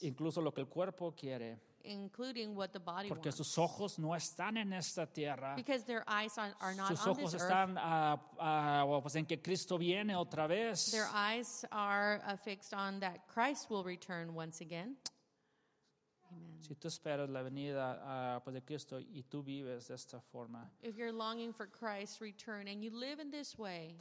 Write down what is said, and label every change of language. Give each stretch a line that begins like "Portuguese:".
Spanish: Incluso lo que el cuerpo quiere.
English: Including what the body
Spanish: porque
English: wants.
Spanish: Sus ojos no están en esta tierra.
English: Because their eyes are not
Spanish: sus
English: on this
Spanish: están,
English: earth.
Spanish: Pues en que Cristo viene otra vez.
English: Their eyes are fixed on that Christ will return once again.
Spanish: Si tú esperas la venida pues de Cristo y tú vives de esta forma.
English: If you're longing for Christ's return and you live in this way.